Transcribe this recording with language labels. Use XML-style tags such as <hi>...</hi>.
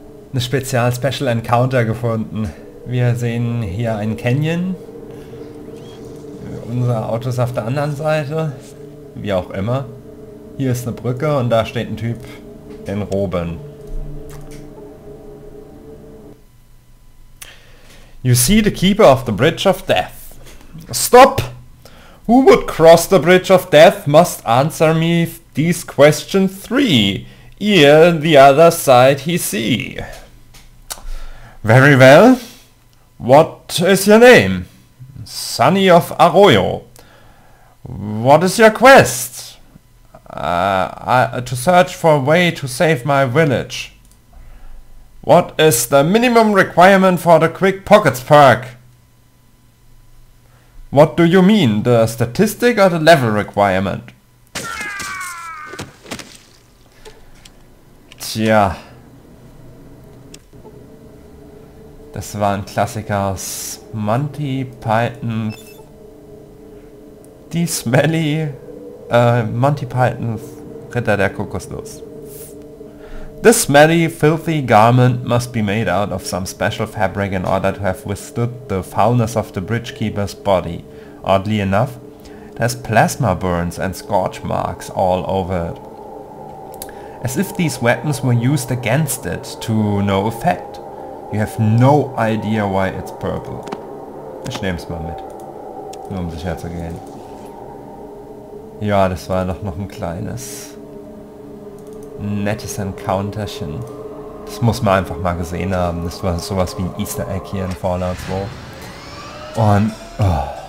<de>Eine Spezial-Special-Encounter gefunden. Wir sehen hier einen Canyon. Unser Auto ist auf der anderen Seite. Wie auch immer. Hier ist eine Brücke und da steht ein Typ in Roben.</de> <en>You see the keeper of the Bridge of Death. Stop! Who would cross the Bridge of Death must answer me these question three. Ere the other side he see. Very well. What is your name? Sonny of Arroyo. What is your quest? To search for a way to save my village. What is the minimum requirement for the Quick Pockets perk? What do you mean, the statistic or the level requirement?</en> <de>Tja. Das war ein Klassiker aus Monty Python, die Smelly, Monty Python, Ritter der Kokosnuss.</de> <en>This smelly, filthy garment must be made out of some special fabric in order to have withstood the foulness of the bridgekeeper's body. Oddly enough, there's plasma burns and scorch marks all over it. As if these weapons were used against it to no effect. You have no idea why it's purple.</en> <de>Ich nehm's mal mit. Nur um sicher zu gehen. Ja, das war doch noch ein kleines nettes Encounterchen. Das muss man einfach mal gesehen haben. Das war sowas wie ein Easter Egg hier in Fallout 2. Und... Oh.</de>